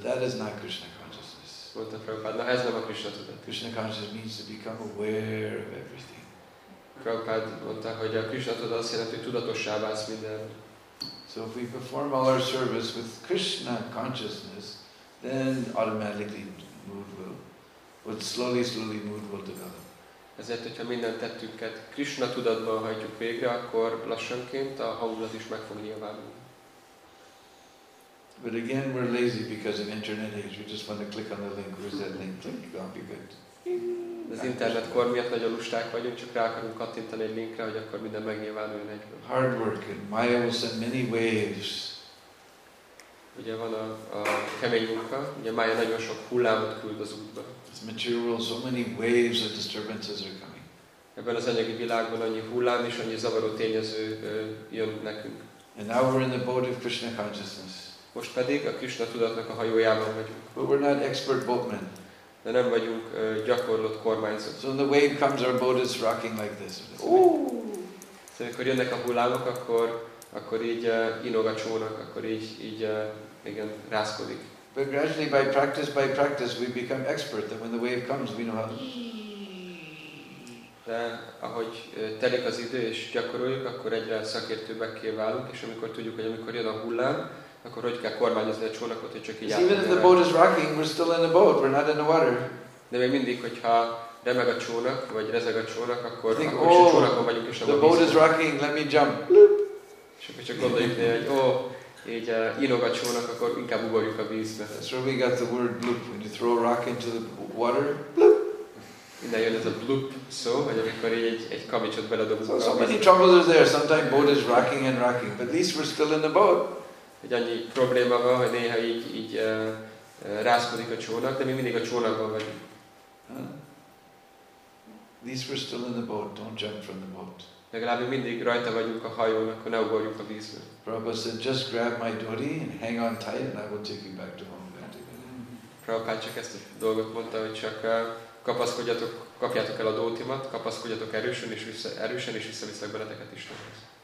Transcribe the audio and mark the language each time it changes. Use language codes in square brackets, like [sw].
[en] That is not Krishna consciousness. [hu] Mondta Prabhupád, na ez nem a Krishna tudat. [en] Krishna consciousness means to become aware of everything. [hu] Prabhupád mondta, hogy a Krishna tudat azt jelenti, hogy tudatossá válsz minden. [en] So if we perform all our service with Krishna consciousness, then automatically mood will, but slowly mood will develop. [hu] Ezért, hogyha minden tettünket Krishna tudatban hajtjuk végre, akkor lassanként a hangulat is meg fog nyilvánulni. [en] But again, we're lazy because of internet age. We just want to click on the link. Where's that link? Click, it'll be good. [hu] Az internetkor miatt nagyon lusták vagyunk, csak rá akarunk kattintani egy linkre, hogy akkor minden megnyilvánuljon egyből. [en] Hard work and Maya will send many waves. [hu] Ugye van a kemény munka, ugye Maya nagyon sok hullámot küld az útba. [en] This material, so many waves of disturbances are coming. [hu] Ebben az anyagi világban annyi hullám és annyi zavaró tényező jön nekünk. [en] And now we're in the boat of Krishna consciousness. [hu] Most pedig a Krishna tudatnak a hajójában vagyunk. [en] But we're not expert boatmen. [hu] De nem vagyunk gyakorlott kormányzók. [en] So when the wave comes, our boat is rocking like this. [hu] So, amikor jönnek a hullámok, akkor így inog a csónak, akkor így rászkodik. [en] But gradually, by practice, we become expert. That when the wave comes, we know how. [hu] De ahogy telik az idő és gyakoroljuk, akkor egyre szakértőbbekké válunk, és amikor tudjuk, hogy amikor jön a hullám, akkor hogy kell kormányozni a csónakot, hogy csak így átmenjen. [en] Even if the boat is rocking, we're still in the boat, we're not in the water. [hu] De még mindig, hogyha remeg a csónak, vagy rezeg a csónak, akkor is a csónakon vagyunk, és a [en] the boat is rocking, let me jump. [hu] És akkor csak gondoljuk, hogy így inog a csónak, akkor inkább ugorjuk a vízbe. [en] That's where we got the word bloop, when you throw a rock into the water. [hu] Innen jön ez a bloop szó, vagy amikor így egy kamicsot beledobunk. [en] So many troubles are there, sometimes boat is rocking and rocking, but at least we're still in the boat. [hu] hogy annyi probléma van, hogy néha így rázkodik a csónak, de mi mindig a csónakban vagyunk. [en] These were still in the boat. Don't jump from the boat. [hu] Legalább mindig rajta vagyunk a hajón, akkor ne ugorjunk a vízbe. [en] Prabhupada said, just grab my dory and hang on tight, and I will take you back to home. [hu] Prabhupada csak ezt a dolgot mondta, hogy csak kapaszkodjatok, kapjátok el a dótimat, kapaszkodjatok erősen és visszaviszlek benneteket Istenhez.